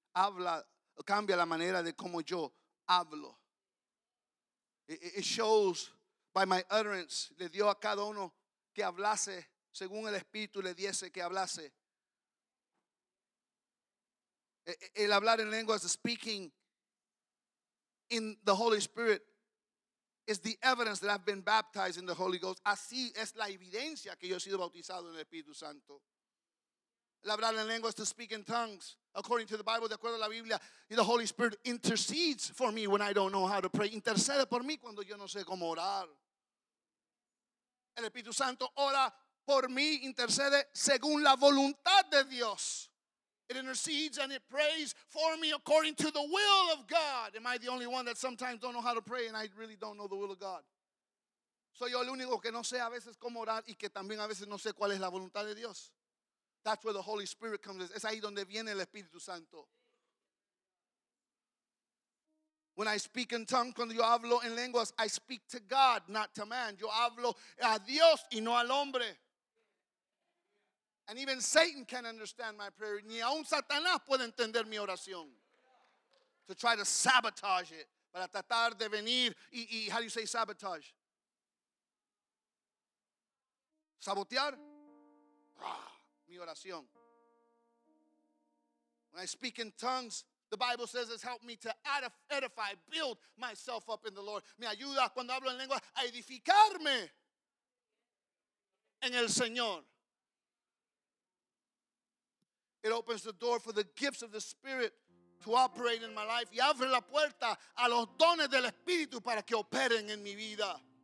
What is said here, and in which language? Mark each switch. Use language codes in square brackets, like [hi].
[es] Habla, cambia la manera de cómo yo hablo. [en] It shows by my utterance, [es] le dio a cada uno que hablase según el Espíritu le diese que hablase. El hablar en lenguas, [en] the speaking in the Holy Spirit is the evidence that I've been baptized in the Holy Ghost. [es] Así es la evidencia que yo he sido bautizado en el Espíritu Santo. El hablar en lenguas, [en] to speak in tongues, according to the Bible, [es] de acuerdo a la Biblia, [en] the Holy Spirit intercedes for me when I don't know how to pray. [es] Intercede por mí cuando yo no sé cómo orar. El Espíritu Santo ora por mí, intercede según la voluntad de Dios. [en] It intercedes and it prays for me according to the will of God. Am I the only one that sometimes don't know how to pray and I really don't know the will of God? [es] Soy yo el único que no sé a veces cómo orar y que también a veces no sé cuál es la voluntad de Dios. [en] That's where the Holy Spirit comes in. [es] Es ahí donde viene el Espíritu Santo. [en] When I speak in tongues, [es] cuando yo hablo en lenguas, [en] I speak to God, not to man. [es] Yo hablo a Dios y no al hombre. [en] And even Satan can't understand my prayer. [es] Ni aun Satanás puede entender mi oración. [en] To try to sabotage it. [es] Para tratar de venir y [en] how do you say sabotage? [es] sabotear mi oración. [en] When I speak in tongues, the Bible says it's helped me to edify, build myself up in the Lord. [es] Me ayuda cuando hablo en lengua a edificarme en el Señor. [en] It opens the door for the gifts of the Spirit to operate in my life. [es] Y abre la puerta a los dones del Espíritu para que operen en mi vida.